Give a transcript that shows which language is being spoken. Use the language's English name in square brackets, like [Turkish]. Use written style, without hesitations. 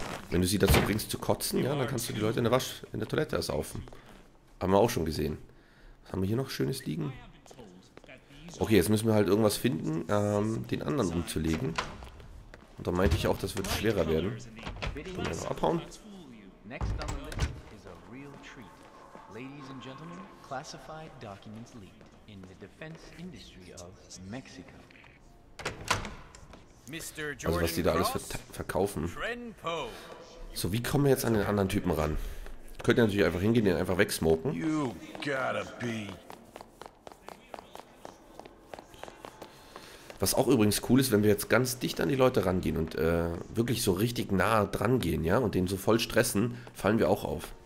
[German] Wenn du sie dazu bringst zu kotzen, ja, dann kannst du die Leute in der Toilette saufen. Haben wir auch schon gesehen. Was haben wir hier noch Schönes liegen? Okay, jetzt müssen wir halt irgendwas finden, den anderen umzulegen. Und da meinte ich auch, das wird schwerer werden. Können wir noch abhauen. [English] Ladies and gentlemen, classified documents leaked in the defense industry of Mexico. [German] Also was die da alles verkaufen. So, wie kommen wir jetzt an den anderen Typen ran? Könnt ihr natürlich einfach hingehen und einfach wegsmoken. [English] You gotta be. [German] Was auch übrigens cool ist, wenn wir jetzt ganz dicht an die Leute rangehen und wirklich so richtig nah dran gehen, ja, und denen so voll stressen, fallen wir auch auf.